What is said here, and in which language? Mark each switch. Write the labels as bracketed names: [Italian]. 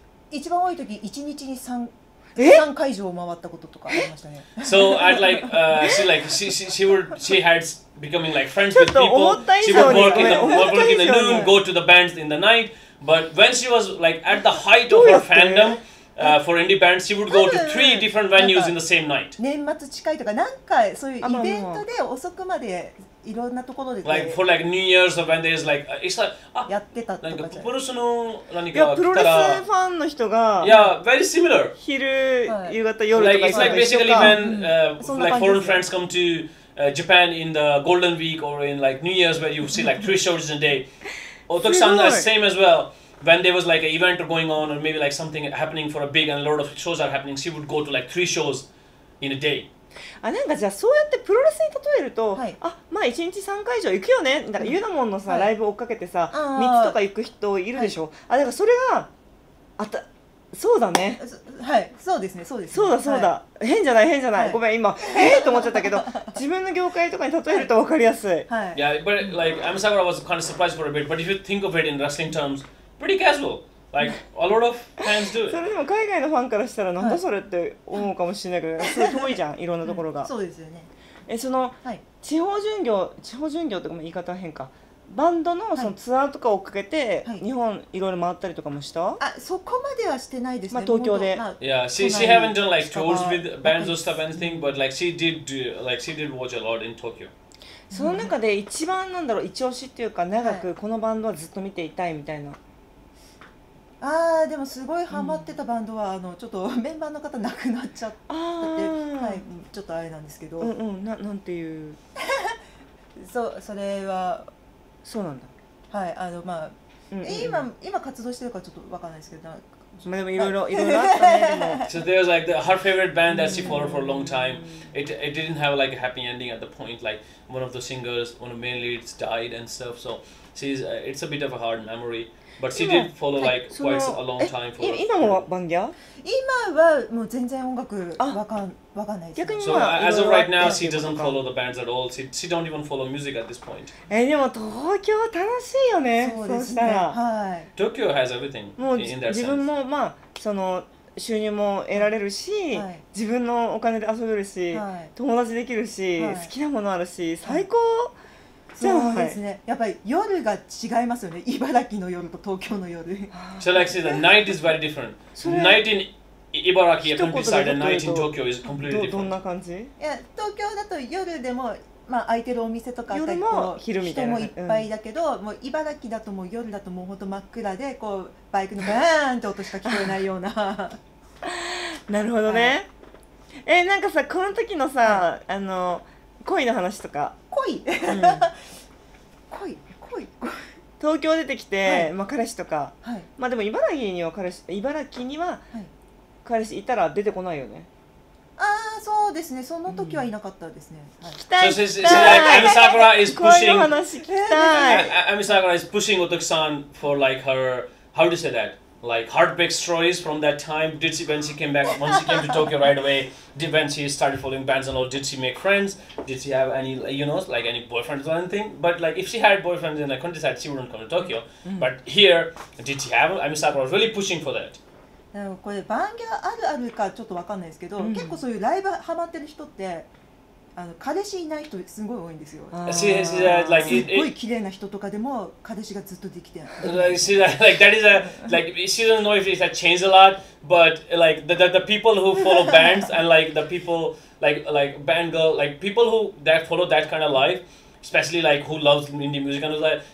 [Japanese] 一番多い時1日に3会場を回ったこととかありましたね。 [English] So I like she like she had becoming like friends with people. She would work in the noon, go to the bands in the night. But when she was like at the height of her fandom for indie bands, she would go to three different venues in the same night. [Japanese] 年末近いとかなんかそういうイベントで遅くまでいろんなところで。 [English] Like for like New Year's or when there's like it's like [Japanese] やってたとかじゃ。プロレスの何か。いやプロレスファンの人が。 [English] Yeah, very similar. [Japanese] 昼夕方夜とか。 [English] Like it's like basically when like foreign friends come to Japan in the Golden Week or in like New Year's where you see like three shows in a day. Otoki-san is same as well. When there was like an event going on or maybe like something happening for a big and a lot of shows are happening, she would go to like three shows in a day. [Japanese] あ、なんかじゃあそうやってプロレスに例えると、はい、あ、まあ1日3回以上行くよね。だからユナモンのさ、はい、ライブ追っかけてさ、3つとか行く人いるでしょ。あ、だからそれが、あた、そうだね。はい、そうですね、そうですね。そうだそうだ。はい、変じゃない変じゃない。ごめん、今、と思っちゃったけど、自分の業界とかに例えると分かりやすい。はい。 [English] Yeah, but like, Amisakura was kind of surprised for a bit, but if you think of it in wrestling terms, pretty casual. Like, a lot of fans do it. [Japanese] それでも海外のファンからしたら、なんだそれって思うかもしれないけど、すごい遠いじゃん、いろんなところが。そうですよね。え、その、はい、地方巡業とかも言い方変か。バンドの そのツアーとかを追っかけて日本いろいろ回ったりとかもした、はい、あそこまではしてないですね、まあ、東京で、 [English] yeah. she haven't done like tours with bands or stuff anything but like she did do, like she did watch a lot in Tokyo [Japanese] その中で一番なんだろう一押しっていうか長くこのバンドはずっと見ていたいみたいな、はい、あでもすごいハマってたバンドは、うん、ちょっとメンバーの方亡くなっちゃってあ、はい、ちょっとあれなんですけどうんうん、なんていうそれはそうなんだ。はい、まあ、うんうんうん、今活動してるかちょっとわかんないですけど、まあでもいろいろいろいろあったね。 [English] So there's like her favorite band that she followed for a long time. It didn't have like a happy ending at the point. Like one of the singers, one of the main leads died and stuff. So she's it's a bit of a hard memory. But she did follow like quite a long time for. [Japanese] 今もバンギャ？今はもう全然音楽わかんないです、 [English] ね。So as of right now, she doesn't follow the bands at all. She don't even follow music at this point. [Japanese] でも東京楽しいよね。そうですね。はい。 [English] Tokyo has everything in that sense. [Japanese] 自分もまあその収入も得られるし、はい、自分のお金で遊べるし、はい、友達できるし、はい、好きなものあるし最高、はい、そうですね、やっぱり夜が違いますよね、茨城の夜と東京の夜。 [English] So like say the night is very different. Night in Ibaraki and countryside and night in Tokyo is completely different. [Japanese] どんな感じ？いや、東京だと夜でもまあ空いてるお店とかあったり、人もいっぱいだけど、うん、もう茨城だともう夜だともうほんと真っ暗で、こうバイクのバーンって音しか聞こえないような。なるほどね。はい、なんかさ、この時のさ、はい、あの恋の話とか。恋、うん、恋。東京出てきて、はい、まあ彼氏とか、はい、まあでも茨城には彼氏いたら出てこないよね。ああ、そうですね。その時はいなかったですね。聞きたい。こういう話聞きたい。 [English] Ami Sakura is pushing Otoki-san for like her, how to say that? Like heartbreak stories from that time. Did she, when she came back, once she came to Tokyo right away, did when she started following bands and all, did she make friends? Did she have any, you know, like any boyfriends or anything? But like if she had boyfriends in the countryside, she wouldn't come to Tokyo. But here, did she have? Ami Sakura was really pushing for that. [Japanese] これバンギャあるあるかちょっと分かんないですけど、うん、結構そういうライブハマってる人ってあの彼氏いない人すごい多いんですよ。すごい綺麗な人とかでも彼氏がずっとできてない。 [English] See that, like, that is a, like, she doesn't know if it's a change a lot, but like the people who follow bands and like the people like band girl, like people who that follow that kind of life, especially like who loves indie music and all that.